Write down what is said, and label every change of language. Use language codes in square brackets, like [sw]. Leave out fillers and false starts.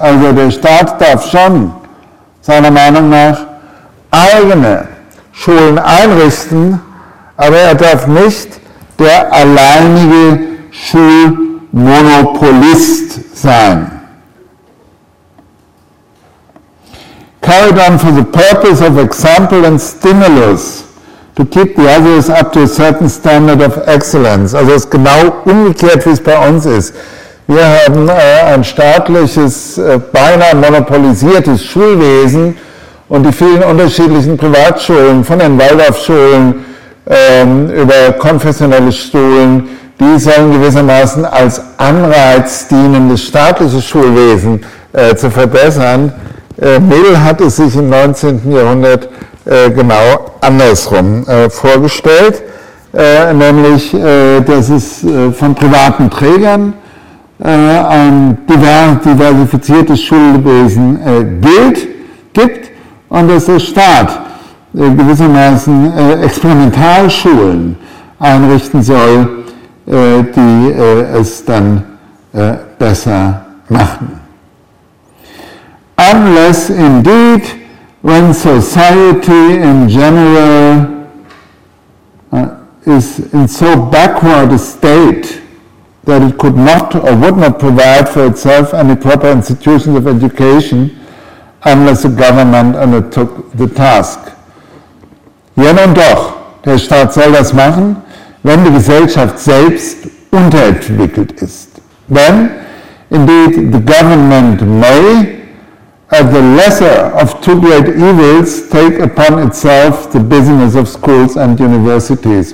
[de] Also der Staat darf schon, seiner Meinung nach, eigene Schulen einrichten, aber er darf nicht der alleinige Schulmonopolist sein. [en] Carried on for the purpose of example and stimulus to keep the others up to a certain standard of excellence. [de] Also es ist genau umgekehrt, wie es bei uns ist. Wir haben ein staatliches, beinahe monopolisiertes Schulwesen und die vielen unterschiedlichen Privatschulen, von den Waldorfschulen über konfessionelle Schulen, die sollen gewissermaßen als Anreiz dienen, das staatliche Schulwesen zu verbessern. Mill hat es sich im 19. Jahrhundert genau andersrum vorgestellt, nämlich, dass es von privaten Trägern ein diversifiziertes Schulwesen gibt und dass der Staat gewissermaßen Experimentalschulen einrichten soll, die es dann besser machen. [en] Unless indeed when society in general is in so backward a state that it could not or would not provide for itself any proper institutions of education unless the government undertook the task. [de] Ja, nun doch, der Staat soll das machen, wenn die Gesellschaft selbst unterentwickelt ist. [en] Then, indeed, the government may, at the lesser of two great evils, take upon itself the business of schools and universities.